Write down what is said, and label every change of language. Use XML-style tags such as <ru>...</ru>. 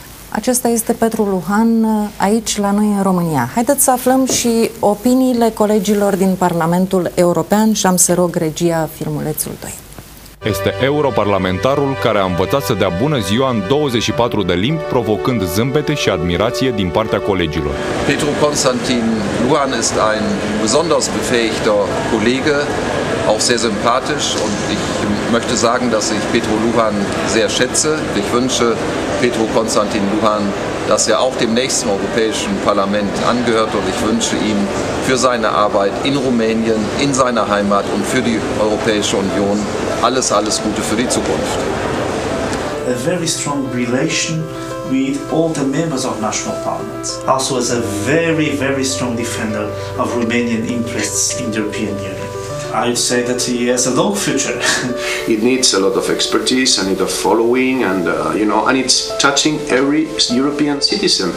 <ro>Acesta este Petru Luhan aici la noi în România. Haideți să aflăm și opiniile colegilor din Parlamentul European și am să rog regia filmulețul 2. Este europarlamentarul care a învățat să dea bună ziua în 24 de limbi, provocând zâmbete și admirație din partea colegilor.</ro> <de>Petru Constantin Luhan ist ein besonders befähigter Kollege, auch sehr sympathisch und ich möchte sagen, dass ich Petru Luhan sehr schätze. Ich wünsche Petru Constantin Luhan, dass er auch dem nächsten Europäischen Parlament angehört und ich wünsche ihm für seine Arbeit in Rumänien, in seiner Heimat und für die Europäische Union alles, alles Gute für die Zukunft.</de> <en>A very strong relation with all the members of national parliaments. Also as a very, very strong defender of Romanian interests in the European Union. I'd say that he has a long future. It needs a lot of expertise, I need a following, and you know, and it's touching every European citizen.</en>